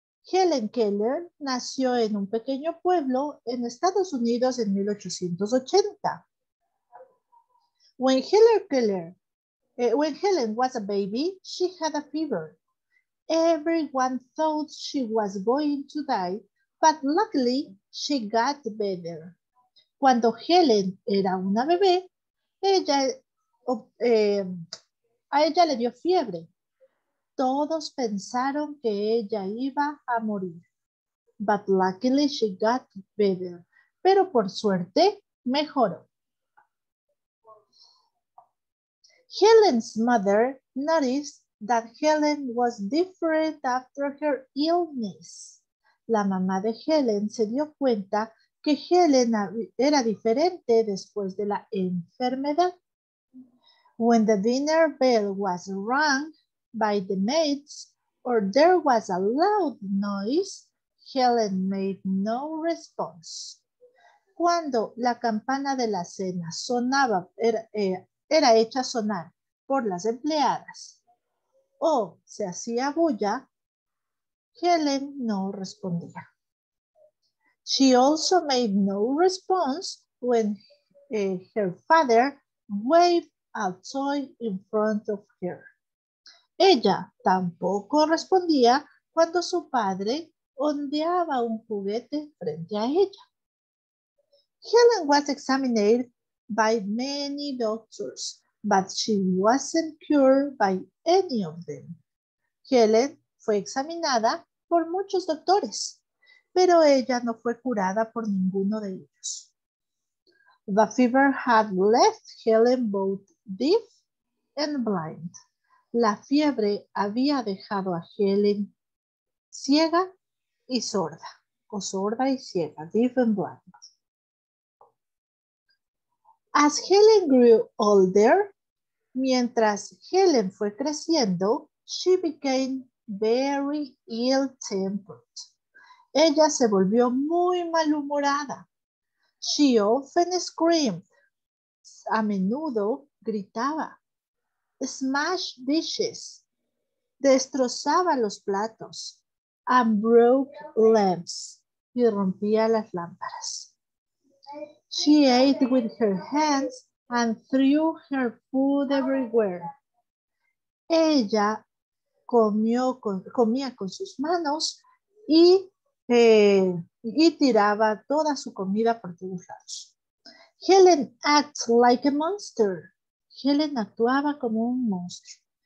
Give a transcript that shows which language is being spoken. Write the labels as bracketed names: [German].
[Spanish] Helen Keller nació en un pequeño pueblo en Estados Unidos en 1880. [English] When Helen was a baby, she had a fever. Everyone thought she was going to die, but luckily she got better. [Spanish] Cuando Helen era una bebé, a ella le dio fiebre. todos pensaron que ella iba a morir. [English] But luckily she got better. [Spanish] Pero por suerte mejoró. [English] Helen's mother noticed that Helen was different after her illness. [Spanish] La mamá de Helen se dio cuenta que Helen era diferente después de la enfermedad. [English] When the dinner bell was rung by the maids or there was a loud noise, Helen made no response. [Spanish] Cuando la campana de la cena sonaba, era hecha sonar por las empleadas o se hacía bulla, Helen no respondía. [English] She also made no response when her father waved a toy in front of her. [Spanish] Ella tampoco respondía cuando su padre ondeaba un juguete frente a ella. [English] Helen was examined by many doctors, but she wasn't cured by any of them. [Spanish] Helen fue examinada por muchos doctores, pero ella no fue curada por ninguno de ellos. [English] The fever had left Helen both deaf and blind. [Spanish] La fiebre había dejado a Helen ciega y sorda, o sorda y ciega, [English] deaf and blind. As Helen grew older, [Spanish] mientras Helen fue creciendo, [English] she became very ill-tempered. [Spanish] Ella se volvió muy malhumorada. [English] She often screamed. [Spanish] A menudo gritaba. [English] Smash dishes. [Spanish] Destrozaba los platos. [English] And broke lamps. [Spanish] Y rompía las lámparas. [English] She ate with her hands and threw her food everywhere. [Spanish] Ella comía con sus manos y tiraba toda su comida por todos lados. [English] Helen acted like a monster. [Spanish] Helen actuaba como un monstruo.